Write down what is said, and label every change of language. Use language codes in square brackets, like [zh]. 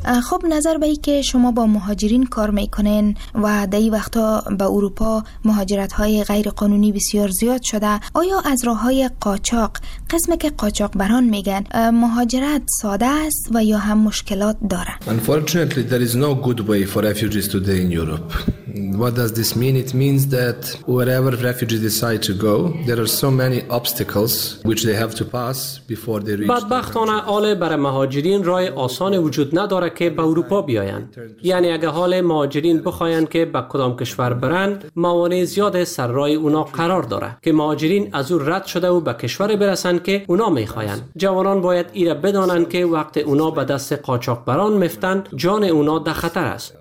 [fa] خب نظر به ای که شما با مهاجرین کار میکنین و در این وقتا به اروپا مهاجرت های غیر قانونی بسیار زیاد شده، آیا از راه های قاچاق، قسمی که قاچاق بران میگن، مهاجرت ساده است و یا هم مشکلات داره؟ [en] Unfortunately there is no good way for refugees today in Europe. What does this mean? It means that wherever refugees decide to go, there are so many obstacles which they have to pass before they reach. [fa] بدبختانه حال برای مهاجرین راه آسان وجود نداره که به اروپا بیایند. یعنی اگه حال مهاجرین بخواین که به کدام کشور برند، موانع زیاد سر راه اونا قرار داره که مهاجرین از اون رد شده و به کشور برسند که اونا میخواین. جوانان باید ایره بدانند که وقت اونا به دست قاچاقبران میفتن، جان اونا در خطر است.